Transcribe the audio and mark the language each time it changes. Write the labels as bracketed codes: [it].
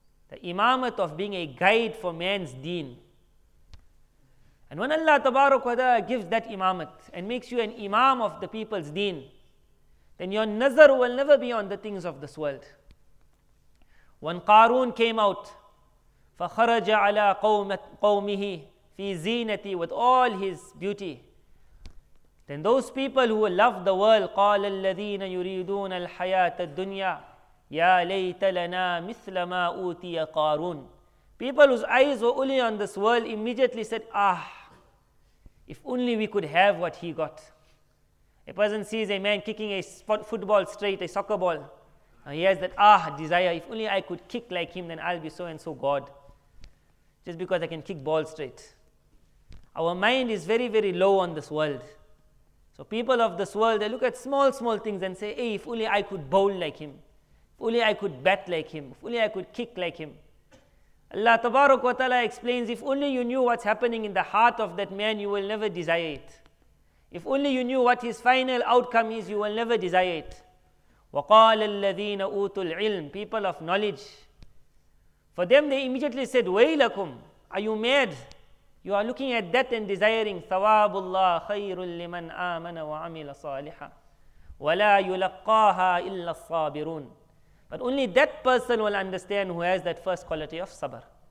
[en] The imamat of being a guide for man's deen. And when Allah tabarak wa ta'ala gives that imamat and makes you an imam of the people's deen, then your nazar will never be on the things of this world. When Qarun came out, [ar] فخرج على قومه في زينتي, [en] with all his beauty. Then those people who love the world, [ar] قال الذين يريدون الحياة الدنيا يا ليت لنا مثل ما أوتي قارون. [en] People whose eyes were only on this world immediately said, ah, if only we could have what he got. A person sees a man kicking a football straight, a soccer ball. And he has that, ah, desire. If only I could kick like him, then I'll be so and so God. Just because I can kick ball straight. Our mind is very, very low on this world. So people of this world, they look at small, small things and say, hey, if only I could bowl like him. If only I could bat like him. If only I could kick like him. Allah Tabarak wa Ta'ala explains, if only you knew what's happening in the heart of that man, you will never desire it. If only you knew what his final outcome is, you will never desire it. [ar] وَقَالَ الَّذِينَ أُوتُوا الْعِلْمِ [en] People of knowledge. For them, they immediately said, [ar] وَيْلَكُمْ [en] Are you mad? You are looking at that and desiring. [ar] ثَوَابُ اللَّهِ خَيْرٌ لِّمَنْ آمَنَ وَعَمِلَ صَالِحًا وَلَا يُلَقَّاهَا إِلَّا الصَّابِرُونَ [en] But only that person will understand who has that first quality of sabr.